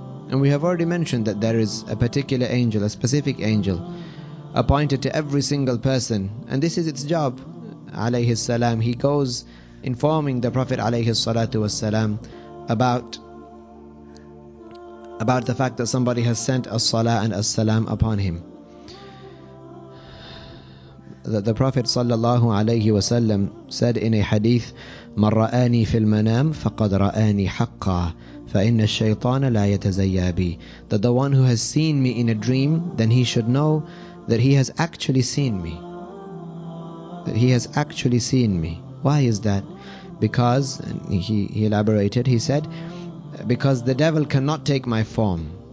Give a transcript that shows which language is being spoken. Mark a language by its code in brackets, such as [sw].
[en] And we have already mentioned that there is a particular angel, a specific angel, appointed to every single person. And this is its job, alayhi salam. He goes informing the Prophet alayhi salatu wasalam about the fact that somebody has sent as-salah and as-salam upon him. The Prophet sallallahu alayhi wasallam said in a hadith, [ar] مَنْ رَآنِي فِي الْمَنَامِ فَقَدْ رَآنِي حَقَّى فَإِنَّ الشَّيْطَانَ لَا يَتَزَيَّى بِي. [en] That the one who has seen me in a dream, then he should know that he has actually seen me. That he has actually seen me. Why is that? Because, and he elaborated, he said, because the devil cannot take my form.